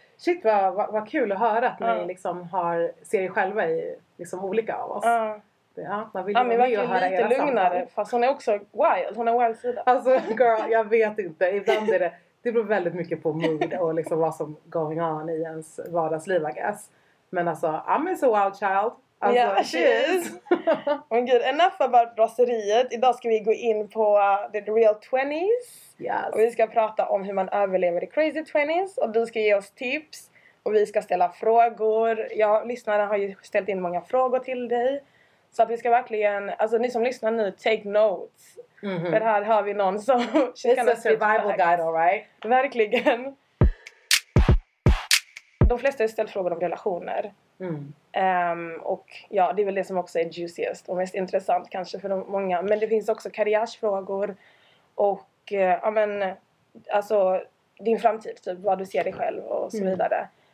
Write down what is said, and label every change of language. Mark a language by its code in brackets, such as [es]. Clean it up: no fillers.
[sv] Shit, vad kul att höra att ni liksom ser er själva i liksom olika av oss. Ja, man vill ju höra lite lugnare, fast hon är också wild, hon är wild sida. Alltså, girl, jag vet inte, ibland är det beror väldigt mycket på mood och liksom vad som [en] going on [sv] i ens vardagsliv, [en] I guess. [sv] Men alltså, [en] I'm a wild child. Alltså, yeah, she is. Oh my god, enough about Rosseriet. [sv] Idag ska vi gå in på [en] the real 20s. Yes. [sv] Och vi ska prata om hur man överlever [en] the crazy 20s. [sv] Och du ska ge oss tips Och vi ska ställa frågor. Ja, lyssnarna har ju ställt in många frågor till dig. Så att vi ska verkligen, alltså ni som lyssnar nu, [en] take notes. [sv] Mm-hmm. För här har vi någon som... [en] It's a survival guide, all right? [sv] Verkligen. De flesta har ställt frågor om relationer. Mm. Och ja, det är väl det som också är juiciest och mest intressant kanske för de många. Men det finns också karriärsfrågor. Och ja, men alltså din framtid, typ vad du ser dig själv och så vidare.